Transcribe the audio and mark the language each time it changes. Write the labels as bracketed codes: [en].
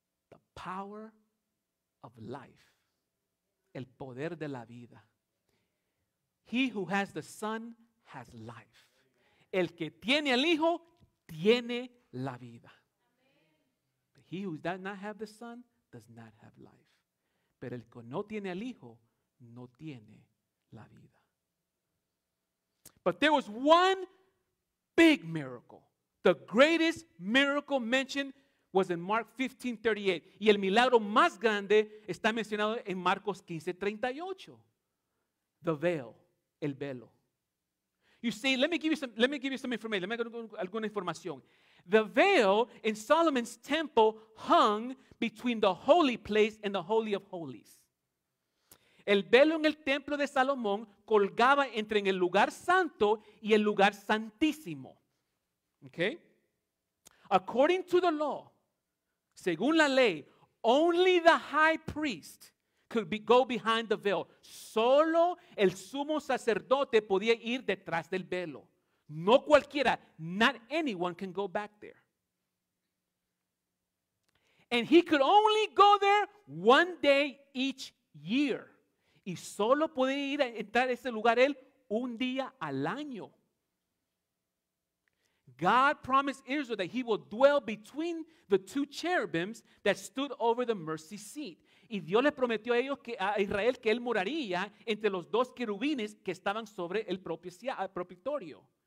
[en] The power of life. [es] El poder de la vida. [en] He who has the Son has life. [es] El que tiene al Hijo tiene la vida. [en] He who does not have the Son does not have life. [es] Pero el que no tiene al Hijo no tiene la vida. [en] But there was one big miracle. The greatest miracle mentioned was in Mark 15:38. [es] Y el milagro más grande está mencionado en Marcos 15:38. [en] The veil, [es] el velo. [en] You see, let me give you [es] alguna información. [en] The veil in Solomon's temple hung between the holy place and the holy of holies. [es] El velo en el templo de Salomón colgaba entre en el lugar santo y el lugar santísimo. Okay? [en] According to the law, [es] según la ley, [en] only the high priest could go behind the veil. [es] Solo el sumo sacerdote podía ir detrás del velo. No cualquiera, [en] not anyone can go back there. And he could only go there one day each year. [es] Y solo puede ir a entrar a ese lugar él un día al año. [en] God promised Israel that he will dwell between the two cherubims that stood over the mercy seat. [es] Y Dios le prometió a ellos que a Israel que él moraría entre los dos querubines que estaban sobre el propiciatorio.